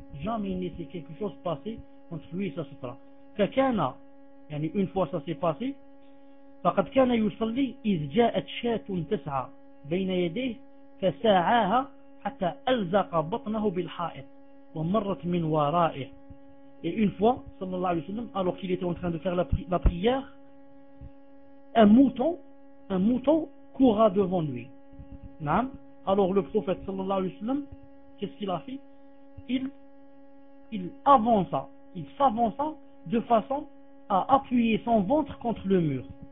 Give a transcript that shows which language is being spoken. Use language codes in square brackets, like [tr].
[fr] Jamais il ne laissait quelque chose passer entre lui et sa sutra. [ar] Kakana, yani [fr] une fois ça s'est passé, [ar] فقد كان يصلي إذ جاءت شاة تسعى بين يديه فساعاها حتى ألزق بطنه بالحائط ومرت من ورائه. [fr] Et une fois, sallallahu alayhi wa sallam, alors qu'il était en train de faire la prière, un mouton coura devant lui. Naam. Alors le prophète, sallallahu alayhi wa sallam, qu'est-ce qu'il a fait? Il s'avança de façon à appuyer son ventre contre le mur.